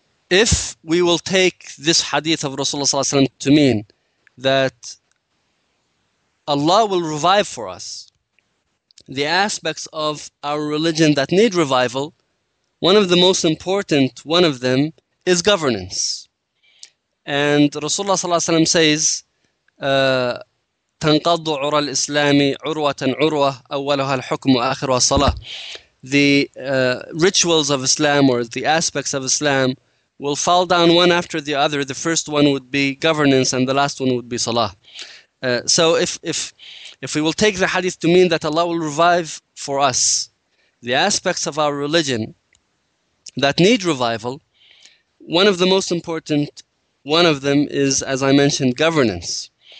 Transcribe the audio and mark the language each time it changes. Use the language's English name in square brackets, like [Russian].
[English] If we will take this hadith of Rasulullah sallallahu alaihi wasallam to mean that Allah will revive for us the aspects of our religion that need revival, one of the most important one of them is governance. And Rasulullah sallallahu alaihi wasallam says, [Arabic] تنقض عرى الإسلام عروة عروة أولها الحكم وآخرها الصلاة. [English] The rituals of Islam or the aspects of Islam will fall down one after the other. The first one would be governance and the last one would be salah. So if we will take the hadith to mean that Allah will revive for us the aspects of our religion that need revival, one of the most important one of them is, as I mentioned, governance.